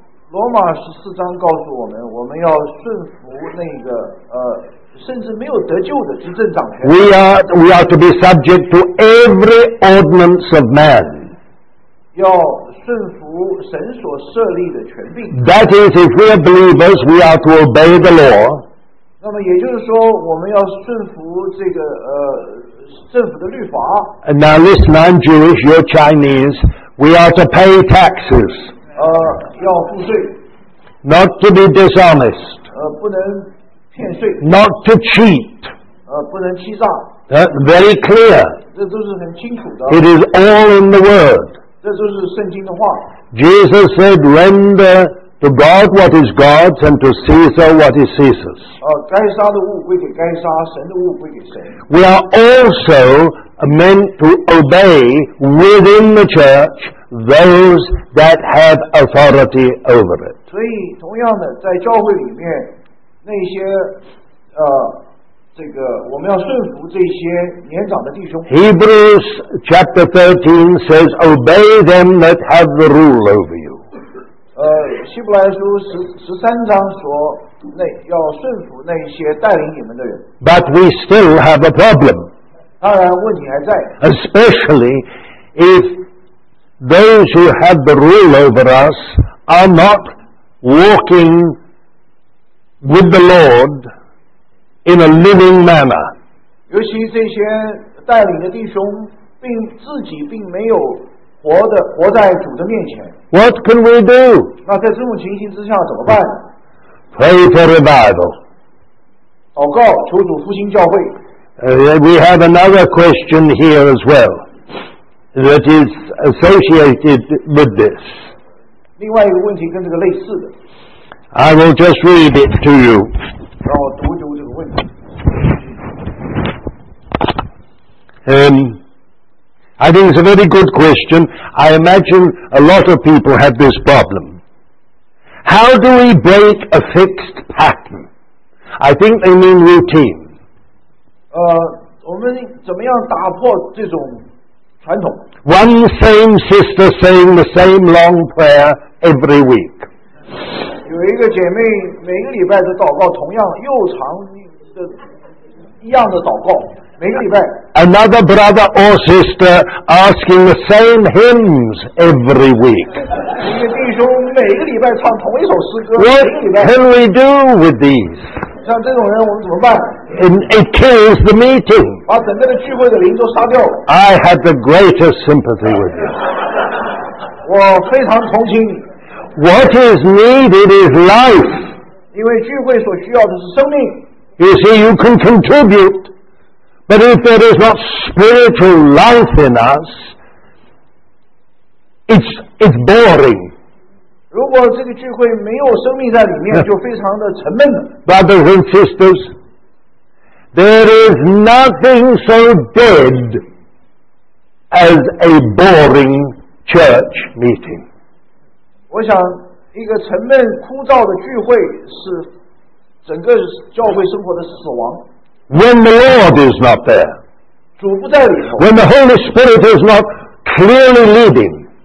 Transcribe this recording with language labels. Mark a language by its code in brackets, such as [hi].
[zh] 罗马14章告诉我们，我们要顺服那个甚至没有得救的执政掌权。 [en] We are to be subject to every ordinance of man. [zh] 要顺服神所设立的权柄。 [en] That is, if we are believers, we are to obey the law. [zh] 那么也就是说，我们要顺服这个政府的律法。 [en] And now, listen, I'm Jewish, you're Chinese. We are to pay taxes. [zh] 要付税。 [en] Not to be dishonest. [zh] 不能。 [en] Not to cheat. [zh] 不能欺诈。 [en] Very clear. [zh] 这都是很清楚的。 [en] It is all in the word. [zh] 这都是圣经的话。 [en] Jesus said, render to God what is God's and to Caesar what is Caesar's. [zh] 该杀的物归给该杀，神的物归给神。 [en] We are also meant to obey within the church those that have authority over it. [zh] 所以同样的，在教会里面那些这个我们要顺服这些年长的弟兄。 [en] Hebrews chapter 13 says obey them that have the rule over you. [zh] 希伯来书13章说那要顺服那些带领你们的人。 [en] But we still have a problem. [zh] 当然问题还在。 [en] Especially if those who have the rule over us are not walking with the Lord in a living manner. [zh] 尤其这些带领的弟兄并自己并没有活在主的面前。 [en] What can we do? [zh] 那在这种情形之下怎么办？ [en] Pray for revival. [zh] 祷告求主复兴教会。 [en] We have another question here as well that is associated with this. [zh] 另外一个问题跟这个类似的。 [en] I will just read it to you. [zh] 让我读读这个问题。 [en] I think it's a very good question. I imagine a lot of people have this problem. How do we break a fixed pattern? I think they mean routine. [zh] 我们怎么样打破这种传统？ [en] One same sister saying the same long prayer every week. [zh] 有一个姐妹每个礼拜的祷告同样又长的一样的祷告每个礼拜。 [en] Another brother or sister asking the same hymns every week. [zh] 一个弟兄每个礼拜唱同一首诗歌。 [en] What can we do with these? [zh] 像这种人我们怎么办？ [en] It kills the meeting. [zh] 把整个的聚会的灵都杀掉了。 [en] I have the greatest sympathy with you. [zh] 我非常同情你。 [en] What is needed is life. [zh] 因为聚会所需要的是生命。 [en] You see, you can contribute, but if there is not spiritual life in us, it's boring. [zh] 如果这个聚会没有生命在里面，就非常的沉闷。 [en] Brothers and sisters, there is nothing so dead as a boring church meeting. [zh] 我想一个沉闷枯燥的聚会是整个教会生活的死亡。 [en] When the Lord is not there, [zh] 主不在里头。 [en] When the Holy Spirit is not clearly leading,